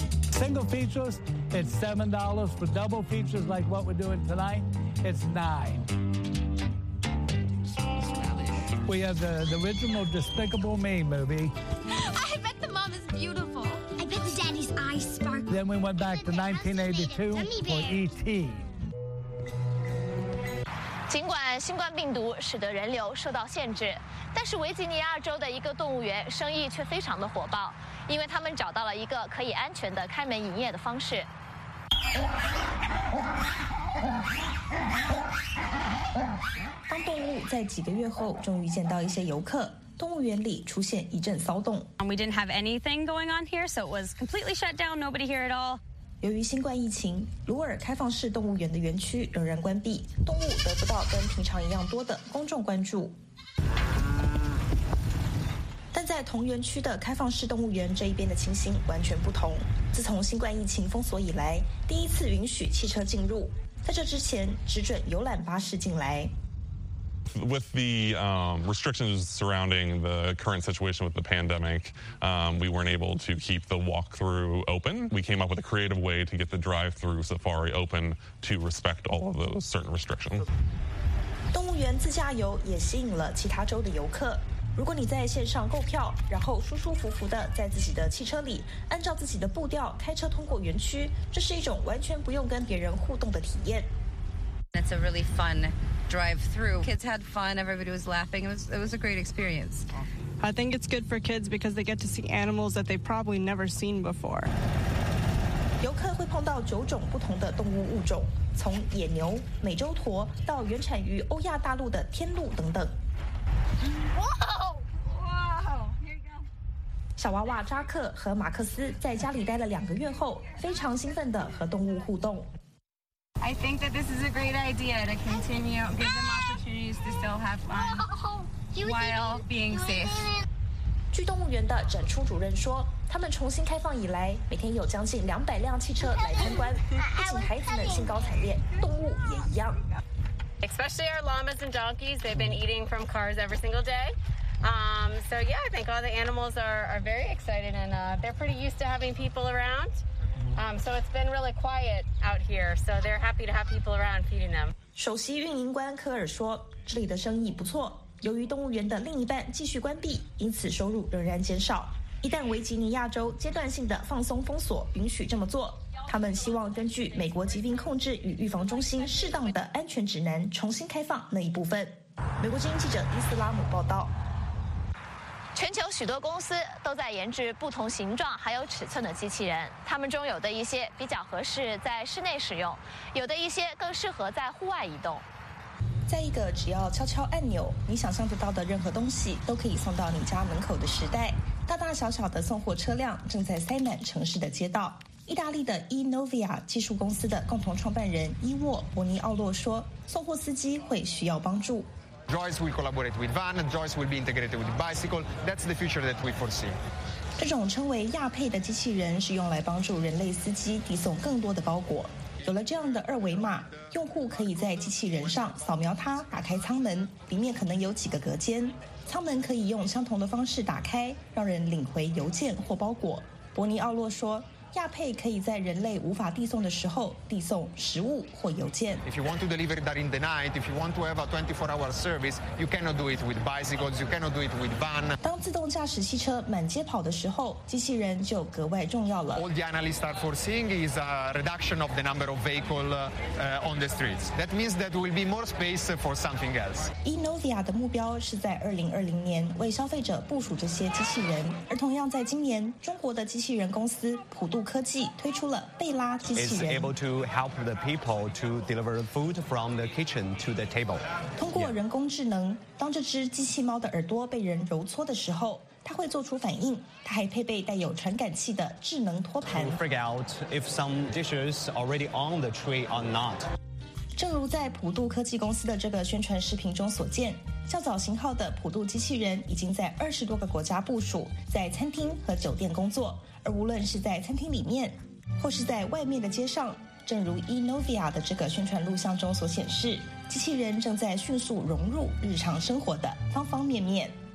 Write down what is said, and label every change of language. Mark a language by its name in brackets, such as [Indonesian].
[English] Single features, it's $7. For double features like what we're doing tonight, it's $9. We have the original Despicable Me movie. I bet the mom is beautiful. I bet the daddy's eyes sparkle. Then we went back to 1982 for E.T. [Chinese] 尽管新冠病毒使得人流受到限制，但是维吉尼亚州的一个动物园生意却非常的火爆，因为他们找到了一个可以安全的开门营业的方式。当动物在几个月后终于见到一些游客，动物园里出现一阵骚动。 [English] We didn't have anything going on here, so it was completely shut down, nobody here at all. [Chinese] 由于新冠疫情，鲁尔开放式动物园的园区仍然关闭，动物得不到跟平常一样多的公众关注。但在同园区的开放式动物园这一边的情形完全不同。自从新冠疫情封锁以来，第一次允许汽车进入，在这之前只准游览巴士进来。 [English] With the restrictions surrounding the current situation with the pandemic, we weren't able to keep the walkthrough open. We came up with a creative way to get the drive-through safari open to respect all of those certain restrictions. [Chinese] 动物园自驾游也吸引了其他州的游客。如果你在线上购票，然后舒舒服服的在自己的汽车里，按照自己的步调开车通过园区，这是一种完全不用跟别人互动的体验。 [English] That's a really fun drive through. Kids had fun, everybody was laughing. It was a great experience. I think it's good for kids because they get to see animals that they've probably never seen before. [Chinese] 游客会碰到九种不同的动物物种，从野牛、美洲驼到原产于欧亚大陆的天鹿等等。小娃娃扎克和马克思在家里待了两个月后，非常兴奋地和动物互动。 [English] I think that this is a great idea to continue, give them opportunities to still have fun while being safe. [Chinese] 据动物园的展出主任说，他们重新开放以来，每天有将近200辆汽车来参观，不仅孩子们兴高采烈，动物也一样。 [English] Especially our llamas and donkeys, they've been eating from cars every single day. I think all the animals are very excited and they're pretty used to having people around. So it's been really quiet out here. So they're happy to have people around feeding them. [Chinese] 首席运营官科尔说，这里的生意不错。由于动物园的另一半继续关闭，因此收入仍然减少。一旦维吉尼亚州阶段性的放松封锁，允许这么做。他们希望根据美国疾病控制与预防中心适当的安全指南重新开放那一部分。美国之音记者伊斯拉姆报道。全球许多公司都在研制不同形状还有尺寸的机器人，他们中有的一些比较合适在室内使用，有的一些更适合在户外移动。在一个只要敲敲按钮，你想象得到的任何东西都可以送到你家门口的时代，大大小小的送货车辆正在塞满城市的街道。意大利的 eNovia 技术公司的共同创办人伊沃·博尼奥洛说，送货司机会需要帮助。 [English] Joyce will collaborate with van, and Joyce will be integrated with bicycle. That's the future that we foresee. [Chinese] 这种称为亚配的机器人是用来帮助人类司机递送更多的包裹。有了这样的二维码，用户可以在机器人上扫描它，打开舱门，里面可能有几个隔间，舱门可以用相同的方式打开，让人领回邮件或包裹。伯尼奥洛说，亚配可以在人类无法递送的时候递送食物或邮件。 [English] If you want to deliver that in the night, if you want to have a 24-hour service, you cannot do it with bicycles, you cannot do it with van. [Chinese] 当自动驾驶汽车满街跑的时候，机器人就格外重要了。 [English] All the analysts are foreseeing is a reduction of the number of vehicles on the streets. That means that will be more space for something else. [Chinese] eNovia 的目标是在2020年为消费者部署这些机器人，而同样在今年，中国的机器人公司普度科技推出了贝拉机器人。 [English] It's able to help the people to deliver food from the kitchen to the table. [Chinese] 通过人工智能，当这只机器猫的耳朵被人揉搓的时候，它会做出反应。它还配备带有传感器的智能托盘。 [English] To figure out if some dishes already on the tray or not. [Chinese] 正如在普度科技公司的这个宣传视频中所见，较早型号的普度机器人已经在20多个国家部署，在餐厅和酒店工作。而无论是在餐厅里面或是在外面的街上，正如 eNovia 的这个宣传录像中所显示，机器人正在迅速融入日常生活的方方面面。